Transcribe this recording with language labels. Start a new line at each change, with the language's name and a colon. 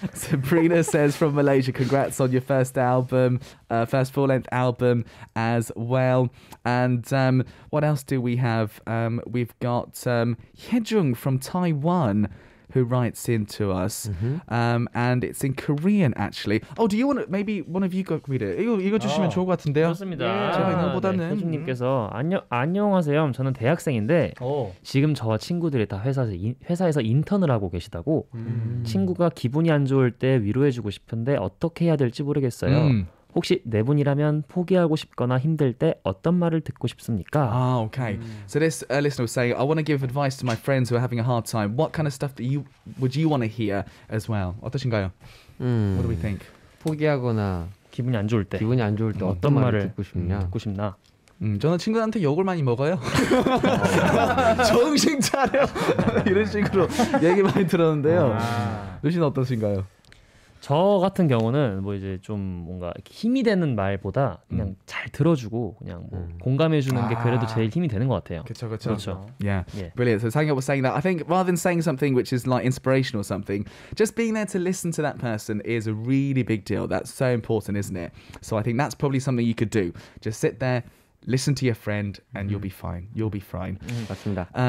English: Sabrina says from Malaysia, congrats on your first album, first full-length album as well. And what else do we have? We've got Hyejung from Taiwan who writes in to us. And it's in Korean, actually. Oh, do you want to... Maybe one of you could read it.
Korean: 이거 주시면 좋을 것 같은데요. 좋습니다. 제가 있는 것보다는... 혜중님께서 안녕하세요. 저는 대학생인데 지금 저와 친구들이 다 회사에서 인턴을 하고 계시다고 친구가 기분이 안 좋을 때 위로해주고 싶은데 어떻게 해야 될지 모르겠어요. 혹시 네 분이라면 포기하고 싶거나 힘들 때 어떤 말을 듣고 싶습니까?
English: Okay. So this listener was saying, I want to give advice to my friends who are having a hard time. What kind of stuff that you would you want to hear as well?
Korean: 어떠신가요?
English: What do we think?
Korean: 포기하거나 기분이 안 좋을 때. 기분이 안 좋을 때 어떤 말을 듣고 싶냐? 듣고 싶나? 저는 친구들한테 욕을 많이 먹어요. 정신 차려. 이런 식으로 얘기 많이 들었는데요. 루시는 어떠신가요? 저 같은 경우는 뭐 이제 좀 뭔가 힘이 되는 말보다 그냥 잘 들어주고 그냥 뭐 공감해 주는 게 그래도 제일 힘이 되는 것 같아요. 그쵸, 그쵸. 그렇죠.
English: Yeah. yeah. Brilliant. So Sangyeop was saying that I think rather than saying something which is like inspirational or something, just being there to listen to that person is a really big deal. That's so important, isn't it? So I think that's probably something you could do. Just sit there, listen to your friend, and you'll be fine. You'll be fine.
Korean: 맞습니다.